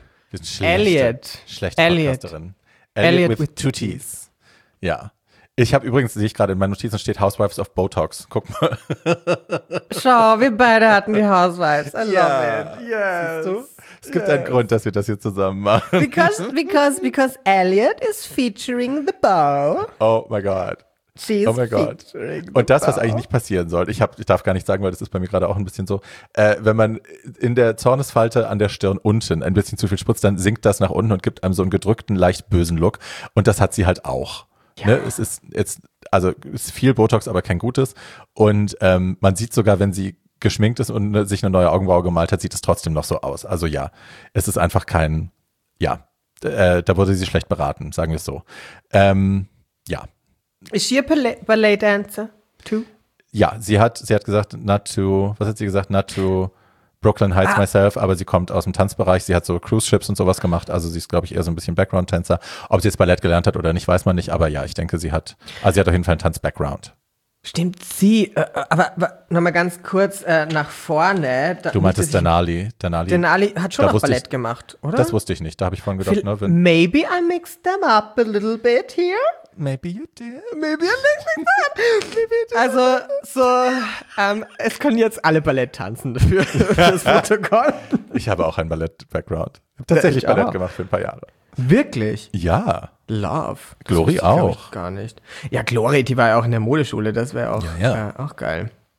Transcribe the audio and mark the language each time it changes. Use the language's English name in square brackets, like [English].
[German] Wir sind schlechte Podcasterin. [English] Elliot with two T's. [German] Ja. Ich habe übrigens, sehe ich gerade, in meinen Notizen steht Housewives of Botox. Guck mal. Schau, wir beide hatten die Housewives. [English] I love it. Yes. [German] Siehst du? Es gibt einen Grund, dass wir das hier zusammen machen. [English] Because Elliot is featuring the bow. Oh my God. She's oh my God. [German] Und das, was eigentlich nicht passieren soll, ich darf gar nicht sagen, weil das ist bei mir gerade auch ein bisschen so, wenn man in der Zornesfalte an der Stirn unten ein bisschen zu viel spritzt, dann sinkt das nach unten und gibt einem so einen gedrückten, leicht bösen Look. Und das hat sie halt auch. Ja. Ne, es ist jetzt, also ist viel Botox, aber kein Gutes. Und man sieht sogar, wenn sie geschminkt ist und sich eine neue Augenbraue gemalt hat, sieht es trotzdem noch so aus. Also ja, es ist einfach kein, ja, da wurde sie schlecht beraten, sagen wir es so. Ja. Ist sie ein Ballet Dancer [English] too? [German] Ja, sie hat gesagt, [English] not to Brooklyn Heights myself, [German] aber sie kommt aus dem Tanzbereich, sie hat so Cruise Ships und sowas gemacht, also sie ist, glaube ich, eher so ein bisschen Background-Tänzer. Ob sie jetzt Ballett gelernt hat oder nicht, weiß man nicht, aber ja, ich denke, sie hat auf jeden Fall einen Tanz-Background. Stimmt, sie, aber nochmal ganz kurz nach vorne. Da, du meintest Denali. Denali hat schon noch Ballett gemacht, oder? Das wusste ich nicht, da habe ich vorhin gedacht. [English] Maybe I mixed them up a little bit here. Maybe you did. Maybe I mixed them up. Maybe you did. [German] Also, so, es können jetzt alle Ballett tanzen für das Protokoll. Ich habe auch einen Ballett-Background. Tatsächlich Ballett gemacht für ein paar Jahre. Wirklich? Ja. [English] Love. [German] Glory auch. Gar nicht. Ja, Glory, die war ja auch in der Modeschule, das wäre auch, ja. Auch geil.